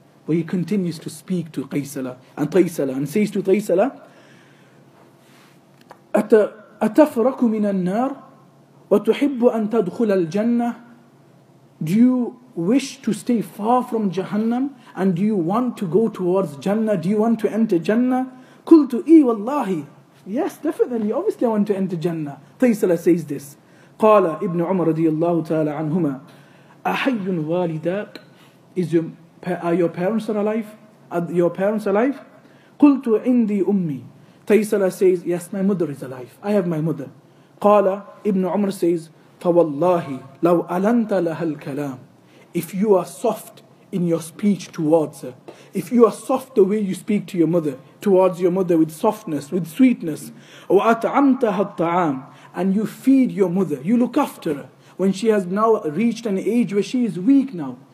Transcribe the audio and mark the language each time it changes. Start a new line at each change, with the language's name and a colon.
English: But he continues to speak to Qaisala and Qaisala and says to Qaisala,
Arabic: أَتَفْرَكُ مِنَ النَّارِ وَتُحِبُّ أَن تَدْخُلَ الْجَنَّةِ,
English: do you wish to stay far from Jahannam and do you want to go towards Jannah? Do you want to enter Jannah?
Arabic: قُلْتُ إِي وَاللَّهِ,
English: yes, definitely, obviously I want to enter Jannah. Qaisala says this.
Arabic: قال ابن عمر رضي الله تعالى عنهما أحي والداك,
English: is your, are your parents alive? Are your parents alive?
Arabic: قلت عندي أمي.
English: Taysala says, yes, my mother is alive. I have my mother.
Arabic: Qala,
English: Ibn Umar says,
Arabic: فَوَاللَّهِ لَوْ أَلَنْتَ لَهَا الْكَلَامِ.
English: If you are soft in your speech towards her, if you are soft the way you speak to your mother, towards your mother with softness, with sweetness,
Arabic: وَأَطْعَمْتَهَا الطَّعَامِ,
English: and you feed your mother, you look after her, when she has now reached an age where she is weak now.